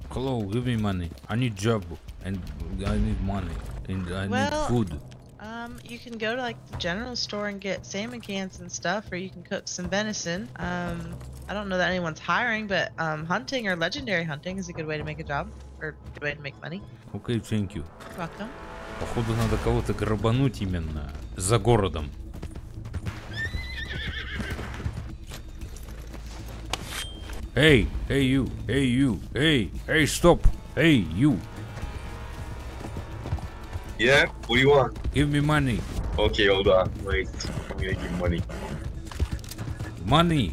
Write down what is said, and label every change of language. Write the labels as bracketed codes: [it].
[en] Hello, give me money. I need job. And I need money. And I need food. You can go to like the general store and get salmon cans and stuff, or you can cook some venison. I don't know that anyone's hiring, but hunting or legendary hunting is a good way to make a job or a good way to make money. Okay, thank you. Welcome. [ru] Походу надо кого-то грабануть именно за городом. [en] Hey, hey you, hey you, hey, hey stop, hey you. Yeah, what do you want? Give me money. Okay, hold on, wait, I'm gonna give money. Money.